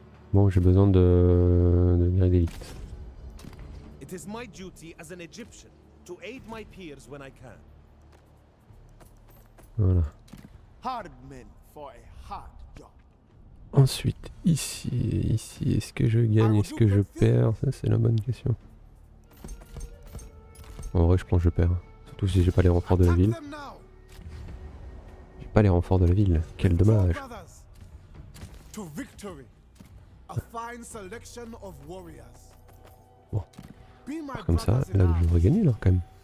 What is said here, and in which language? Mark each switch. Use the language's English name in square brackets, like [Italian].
[French] Bon, j'ai besoin de guerre d'élite. [English] It is my duty as an Egyptian to aid my peers when I can. [French] Voilà. [English] Hard men for a hard job. [French] Ensuite, ici, est-ce que je gagne, est-ce que je perds? Ça, c'est la bonne question. En vrai, je pense que je perds. Surtout si j'ai pas les renforts de la ville. J'ai pas les renforts de la ville, quel dommage. [English] To victory. A fine selection of warriors. [French] Bon. Alors comme ça, là je devrais gagner là quand même.